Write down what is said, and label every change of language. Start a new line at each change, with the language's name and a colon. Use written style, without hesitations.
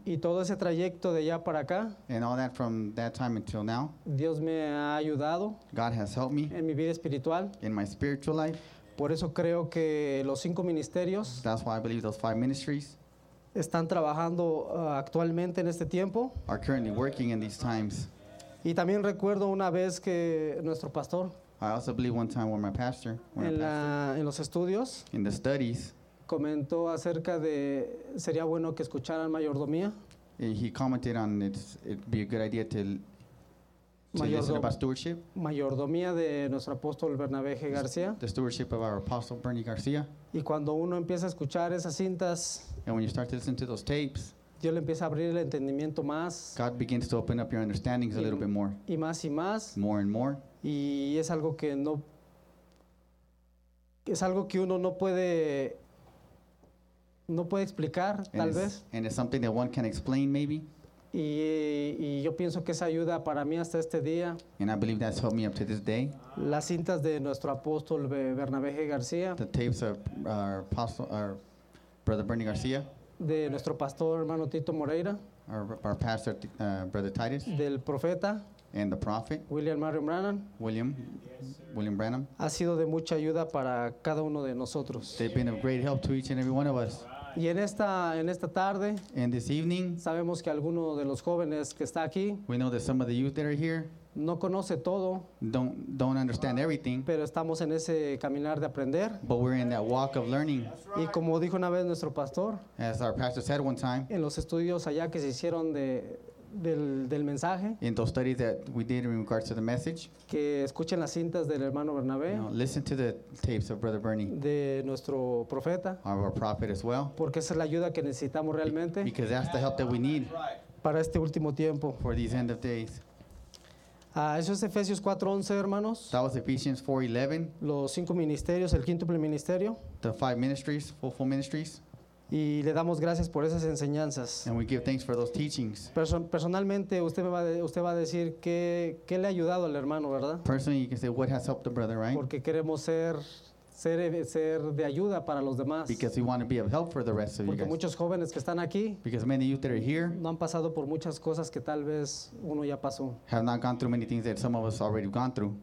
Spanish: Y todo ese trayecto de allá para acá,
English: and all that from that time until now,
Spanish: Dios me ha ayudado.
English: God has helped me
Spanish: en mi vida espiritual,
English: in my spiritual life.
Spanish: Por eso creo que los cinco ministerios,
English: that's why I believe those five ministries,
Spanish: están trabajando actualmente en este tiempo,
English: are currently working in these times.
Spanish: Y también recuerdo una vez que nuestro pastor,
English: I also believe one time when my pastor,
Spanish: en los estudios,
English: in the studies,
Spanish: comentó acerca de sería bueno que escucharan mayordomía.
English: He commented on it'd be a good idea to listen to pastorship.
Spanish: Mayordomía de nuestro apóstol Bernabé G. García.
English: The stewardship of our apostle Bernie Garcia.
Spanish: Y cuando uno empieza a escuchar esas cintas,
English: and when you start to listen to those tapes,
Spanish: Dios le empieza a abrir el entendimiento más.
English: God begins to open up your understandings a little bit more.
Spanish: Y más y más.
English: More and more.
Spanish: Y es algo que no, es algo que uno no puede explicar,
English: and
Spanish: tal vez.
English: And it's something that one can explain, maybe.
Spanish: Y yo pienso que esa ayuda para mí hasta este día.
English: And I believe that's helped me up to this day.
Spanish: Las cintas de nuestro apóstol Bernabé G. García.
English: The tapes of our apostle, our brother Bernie Garcia.
Spanish: De nuestro pastor hermano Tito Moreira.
English: Our pastor, brother Titus.
Spanish: Del profeta.
English: And the prophet. William Marion Branham. William, yes, sir. William Branham.
Spanish: Ha sido de mucha ayuda para cada uno de nosotros.
English: They've been of great help to each and every one of us.
Spanish: Y en esta tarde,
English: in this evening,
Spanish: sabemos que alguno de los jóvenes que está aquí,
English: we know that some of the youth that are here,
Spanish: no conoce todo,
English: don't understand everything,
Spanish: pero estamos en ese caminar de aprender,
English: but we're in that walk of learning. Right.
Spanish: Y como dijo una vez nuestro pastor,
English: as our pastor said one time,
Spanish: en los estudios allá que se hicieron del mensaje,
English: in those studies that we did in regards to the message,
Spanish: que escuchen las cintas del hermano Bernabé,
English: you know, listen to the tapes of brother Bernie,
Spanish: de nuestro profeta,
English: our prophet as well,
Spanish: porque esa es la ayuda que necesitamos realmente,
English: because that's the help that we need,
Spanish: para este último tiempo,
English: for these end of days.
Spanish: Eso es Efesios 4:11, hermanos.
English: That was Ephesians 4:11.
Spanish: Los cinco ministerios, el quíntuple ministerio.
English: The five ministries, full ministries.
Spanish: Y le damos gracias por esas enseñanzas.
English: And we give thanks for those teachings.
Spanish: Personalmente, usted va a decir qué le ha ayudado al hermano, ¿verdad?
English: Personally, you can say what has helped the brother, right?
Spanish: Porque queremos ser de ayuda para los demás.
English: Because we want to be of help for the rest of
Spanish: Porque
English: you guys.
Spanish: Muchos jóvenes que están aquí,
English: because many youth that are here,
Spanish: no han pasado por muchas cosas que tal vez uno ya pasó.
English: Have not gone through many things that some of us already have gone through.